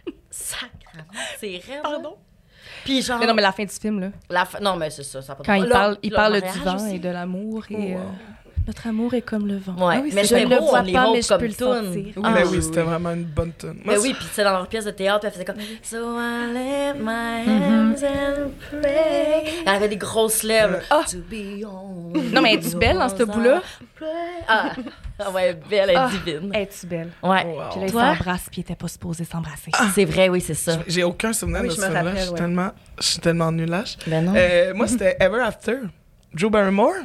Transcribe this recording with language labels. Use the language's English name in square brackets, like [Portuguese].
[French] Sacrément, c'est rare. Pardon? Puis genre... Mais non, mais la fin du film, là. Non, mais c'est ça. Ça pas quand il parle du vent aussi. Et de l'amour et... Oh, wow. Notre amour est comme le vent. Ouais. Ah oui, mais c'est je le vois pas, mais comme je peux le sentir. Oui, mais oui, c'était vraiment une bonne tune. Mais oui, puis c'est dans leur pièce de théâtre, elle faisait comme... [English] So I lift my hands and pray. [French] Elle avait des grosses lèvres. Ah. To be on non, mais es-tu belle dans ce bout-là? Ah, ouais, belle, elle est divine. Es-tu belle? Ouais. Wow. Puis là, toi? Il s'embrasse, puis il était pas supposé s'embrasser. Ah. C'est vrai, oui, c'est ça. J'ai aucun souvenir oui, de ce film-là. Je suis tellement nulâche. Ben non. Moi, c'était Ever After. Drew Barrymore?